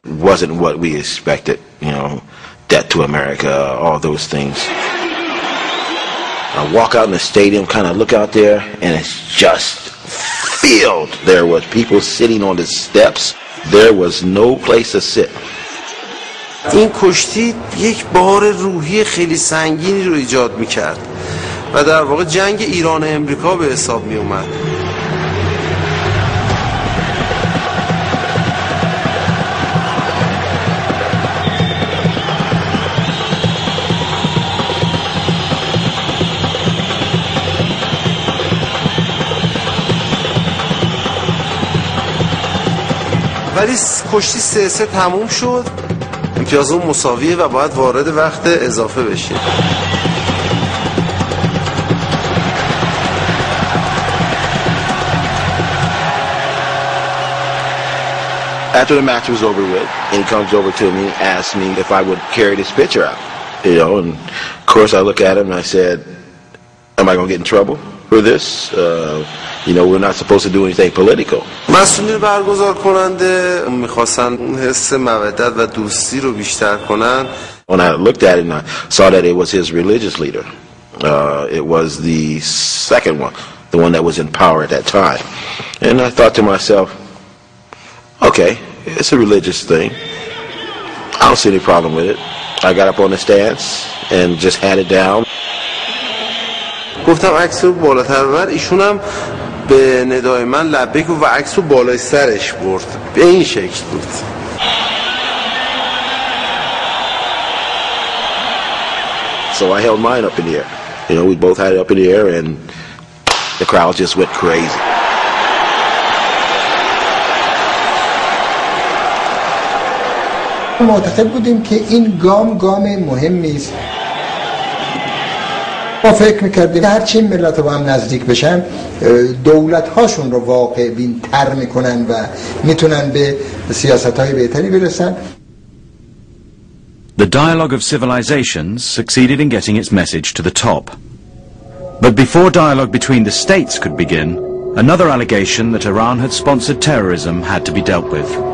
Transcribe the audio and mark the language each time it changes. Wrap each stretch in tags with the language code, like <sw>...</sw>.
<en>Wasn't what we expected, you know. Debt to America, all those things. I walk out in the stadium, kind of look out there, and it's just filled there with people sitting on the steps. There was no place to sit.</en> <fa>این کشتی یک بار روحی خیلی سنگینی رو ایجاد میکرد و در واقع جنگ ایران و امریکا به حساب میومد. ولی کشتی 3-3 تموم شد، امتیاز اون مساویه و باید وارد وقت اضافه بشه.</fa> <en>After the match was over with, he comes over to me, asks me if I would carry this pitcher out. You know, and of course I look at him and I said, am I going to get in trouble for this? You know, we're not supposed to do anything political.</en> <fa>مسئولین برگزار کننده میخواستن حس مودت و دوستی رو بیشتر کنن.</fa> <en>When I looked at him, I saw that it was his religious leader. It was the second one, the one that was in power at that time. And I thought to myself, okay, it's a religious thing. I don't see any problem with it. I got up on the stands and just had it down.</en> <fa>گفتم عکس رو بالاتر ببر. ایشون هم به ندای من لبه گفت و عکس رو بالای سرش برد. به این شکل بود.</fa> <en>So I held mine up in the air. You know, we both had it up in the air and the crowd just went crazy.</en> <fa>معتقد بودیم که این گام مهمی است. ما فکر میکردیم هر چی ملت با هم نزدیک بشن دولت هاشون رو واقع بین تر میکنن و میتونن به سیاست های بهتری برسن.</fa> <en>The dialogue of civilizations succeeded in getting its message to the top. But before dialogue between the states could begin, another allegation that Iran had sponsored terrorism had to be dealt with.</en>